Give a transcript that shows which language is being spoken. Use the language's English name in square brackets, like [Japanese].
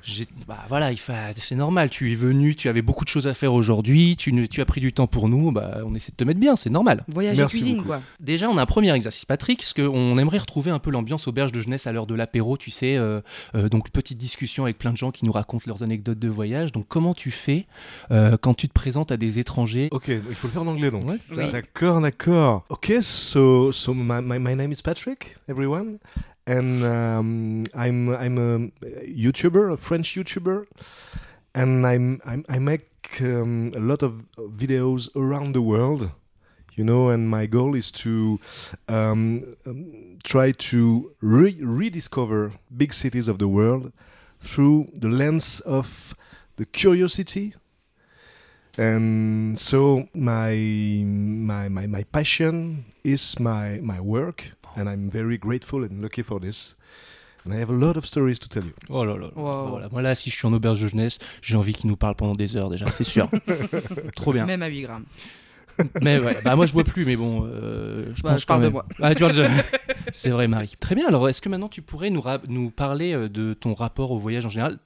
[French] C'est normal, tu es venu, tu avais beaucoup de choses à faire aujourd'hui, tu as pris du temps pour nous, on essaie de te mettre bien, c'est normal. Voyage et cuisine, beaucoup. Quoi. Déjà, on a un premier exercice, Patrick, parce qu'on aimerait retrouver un peu l'ambiance auberge de jeunesse à l'heure de l'apéro, tu sais, donc petite discussion avec plein de gens qui nous racontent leurs anecdotes de voyage. Donc comment tu fais quand tu te présentes à des étrangers? Ok, il faut le faire en anglais donc. Ouais, oui. D'accord. [English] Ok, so my name is Patrick, everyone, and I'm a YouTuber, a French YouTuber, and I make a lot of videos around the world. You know, and my goal is to try to rediscover big cities of the world through the lens of the curiosity. And so my passion is my work, and I'm very grateful and lucky for this. And I have a lot of stories to tell you. [French] Oh là là. Wow. Voilà. Moi là, si je suis en auberge de jeunesse, j'ai envie qu'il nous parle pendant des heures déjà, c'est sûr. Trop bien. Même à 8 grammes. Mais ouais, moi je bois plus, mais bon, je parle de moi. C'est vrai, Marie. Très bien, alors est-ce que maintenant tu pourrais nous parler de ton rapport au voyage en général?